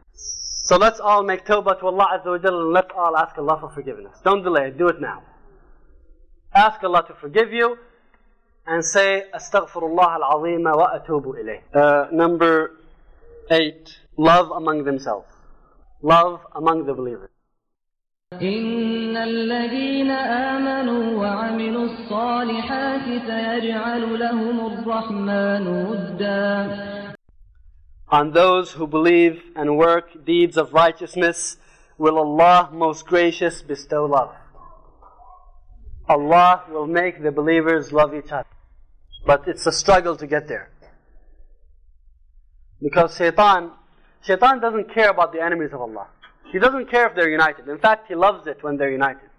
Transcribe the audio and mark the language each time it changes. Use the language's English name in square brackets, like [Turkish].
[English] So let's all make tawbah to Allah Azza wa Jalla and let's all ask Allah for forgiveness. Don't delay it, do it now. Ask Allah to forgive you and say, [Arabic] Astaghfirullah al-Azim wa atubu ilayh. [English] Number 8, love among themselves. Love among the believers. [Arabic] إن الذين آمنوا وعملوا الصالحات سيجعل لهم الرحمن ودا. [English] On those who believe and work deeds of righteousness, will Allah most gracious bestow love. Allah will make the believers love each other. But it's a struggle to get there. Because Shaitan doesn't care about the enemies of Allah. He doesn't care if they're united. In fact, he loves it when they're united.